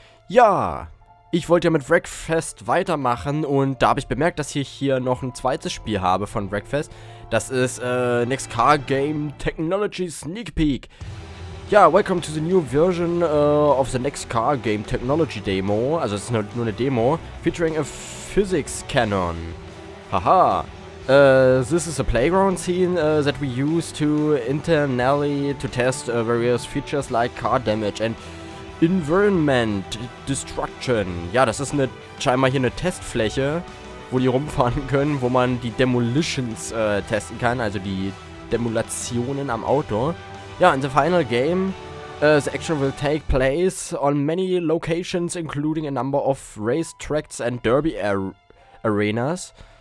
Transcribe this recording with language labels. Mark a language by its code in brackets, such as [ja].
[de] Ja, ich wollte ja mit Wreckfest weitermachen und da habe ich bemerkt, dass ich hier noch ein zweites Spiel habe von Wreckfest. Das ist Next Car Game Technology Sneak Peek. [en] Ja, welcome to the new version of the Next Car Game Technology Demo. [de] Also es ist nur eine Demo, [en] featuring a physics cannon. Haha. This is a playground scene that we use to internally to test various features like car damage and environment destruction. [de] Ja, das ist eine scheinbar hier eine Testfläche, wo die rumfahren können, wo man die Demolitions testen kann, also die Demolationen am Auto. [en] Ja, in the final game, the action will take place on many locations, including a number of racetracks and derby arenas.